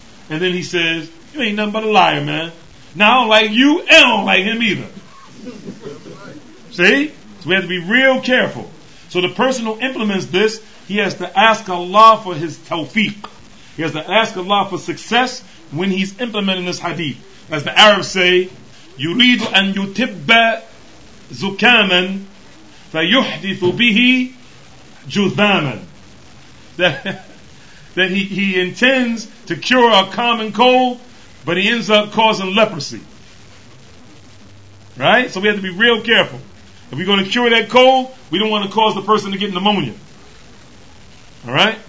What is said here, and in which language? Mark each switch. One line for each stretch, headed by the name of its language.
English: And then he says, you ain't nothing but a liar, man. Now I don't like you and I don't like him either. See? So we have to be real careful. So the person who implements this, he has to ask Allah for his tawfiq. He has to ask Allah for success when he's implementing this hadith. As the Arabs say,
Arabic: يُرِيدُ أَنْ يُتِبَّ زُكَامًا فَيُحْدِثُ بِهِ جُذَامًا.
English: That he intends to cure a common cold, but he ends up causing leprosy. Right? So we have to be real careful. If we're going to cure that cold, we don't want to cause the person to get pneumonia. Alright?